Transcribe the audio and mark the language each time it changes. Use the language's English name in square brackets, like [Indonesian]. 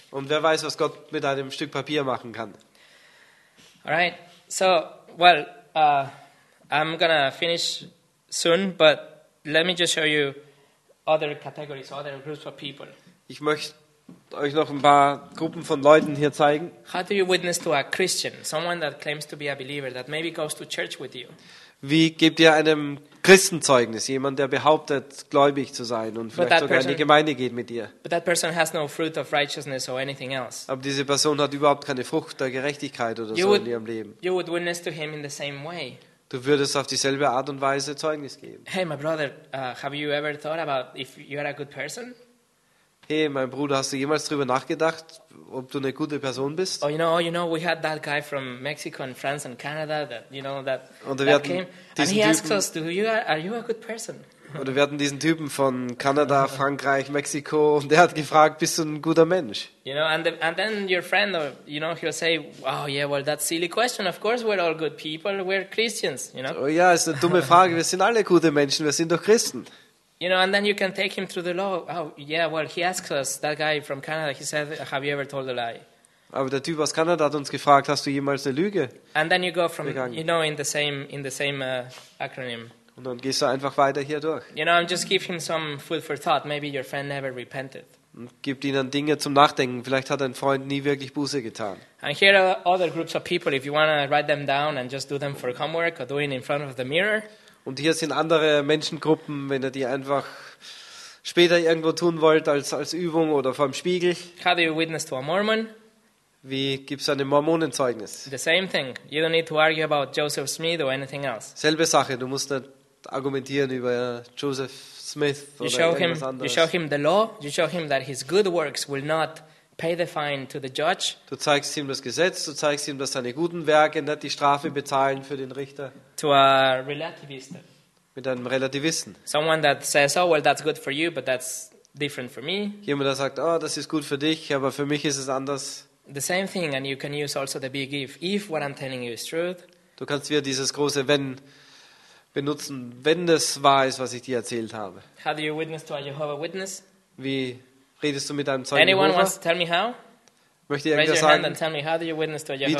[German] Und wer weiß, was Gott mit einem Stück Papier machen kann. [English] All right, so, well, I'm gonna finish soon, but let me just show you other categories, other groups of people. [German] Ich möchte euch noch ein paar Gruppen von Leuten hier zeigen. [English] How do you witness to a Christian, someone that claims to be a believer, that maybe goes to church with you? [German] Wie gebt ihr einem Christen Zeugnis, jemand, der behauptet, gläubig zu sein und vielleicht sogar in die Gemeinde geht mit dir? [English] But that person has no fruit of righteousness or anything else. [German] Aber diese Person hat überhaupt keine Frucht der Gerechtigkeit oder so in ihrem Leben. [English] You would witness to him in the same way. [German] Du würdest auf dieselbe Art und Weise Zeugnis geben. [English] Hey, my brother, have you ever thought about if you are a good person? [German] Hey, mein Bruder, hast du jemals darüber nachgedacht, ob du eine gute Person bist? [English] Oh, you know, we had that guy from Mexico and France and Canada that came and he [German] Typen, [English] asked us, are you a good person? [German] Oder wir hatten diesen Typen von Kanada, Frankreich, Mexiko und der hat gefragt, bist du ein guter Mensch? [English] You know, and then your friend, you know, he'll say, oh yeah, well that's a silly question. Of course we're all good people, we're Christians, you know. [German] Oh ja, ist eine dumme Frage. Wir sind alle gute Menschen. Wir sind doch Christen. [English] You know, and then you can take him through the law. Oh, yeah, well, he asked us, that guy from Canada, he said, have you ever told a lie? [German] Aber der Typ aus Kanada hat uns gefragt, hast du jemals eine Lüge? [English] And then you go from, [German] begangen? [English] You know, in the same acronym. [German] Und dann gehst du einfach weiter hier durch. [English] You know, I'm just giving him some food for thought. Maybe your friend never repented. [German] Und gibt ihnen Dinge zum Nachdenken. Vielleicht hat dein Freund nie wirklich Buße getan. [English] And here are other groups of people. If you want to write them down and just do them for homework or doing in front of the mirror. [German] Und hier sind andere Menschengruppen, wenn ihr die einfach später irgendwo tun wollt, als Übung oder vor dem Spiegel. [English] How do you witness to a Mormon? [German] Wie gibt es einem Mormonen Zeugnis? [English] The same thing. You don't need to argue about Joseph Smith or anything else. [German] Selbe Sache, du musst nicht argumentieren über Joseph Smith oder irgendwas anderes. [English] You show him the law, you show him that his good works will not pay the fine to the judge. [German] Du zeigst ihm das Gesetz, du zeigst ihm, dass seine guten Werke nicht die Strafe bezahlen für den Richter. [English] To a relativist. [German] Mit einem Relativisten. [English] Someone that says, oh, well, that's good for you, but that's different for me. [German] Jemand, der sagt, oh, das ist gut für dich, aber für mich ist es anders. [English] The same thing, and you can use also the big if what I'm telling you is truth. [German] Du kannst wieder dieses große Wenn benutzen, wenn das wahr ist, was ich dir erzählt habe. [English] How do you witness to a Jehovah Witness? [German] Wie redest du mit deinem Zeugen [English] Anyone Jehovah? Wants to tell me how? [German] Möchte ich irgendwas sagen? [English] Raise your hand and tell me how do you witness to a Jehovah